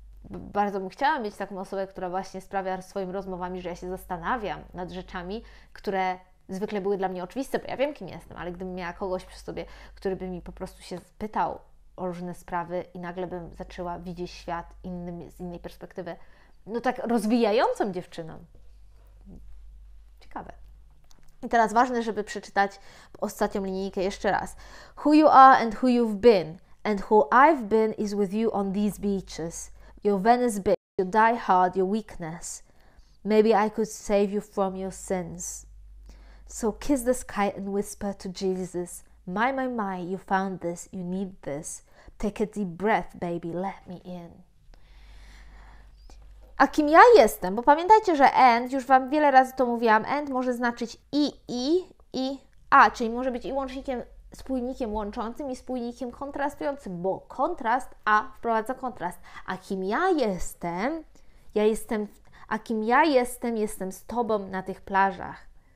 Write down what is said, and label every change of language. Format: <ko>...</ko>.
<pl>Bardzo bym chciała mieć taką osobę, która właśnie sprawia swoimi rozmowami, że ja się zastanawiam nad rzeczami, które zwykle były dla mnie oczywiste, bo ja wiem, kim jestem, ale gdybym miała kogoś przy sobie, który by mi po prostu się spytał o różne sprawy i nagle bym zaczęła widzieć świat z innej perspektywy, no tak rozwijającą dziewczyną. Ciekawe. I teraz ważne, żeby przeczytać ostatnią linijkę jeszcze raz.</pl> <en>Who you are and who you've been. And who I've been is with you on these beaches. Your Venice Beach, your die hard, your weakness. Maybe I could save you from your sins. So kiss the sky and whisper to Jesus. My, my, my, you found this, you need this. Take a deep breath, baby, let me in.</en> <pl>A kim ja jestem? Bo pamiętajcie, że and, już Wam wiele razy to mówiłam, and może znaczyć i, a, czyli może być i łącznikiem, spójnikiem łączącym i spójnikiem kontrastującym, bo kontrast, a, wprowadza kontrast. A kim ja jestem, a kim ja jestem z Tobą na tych plażach.</pl>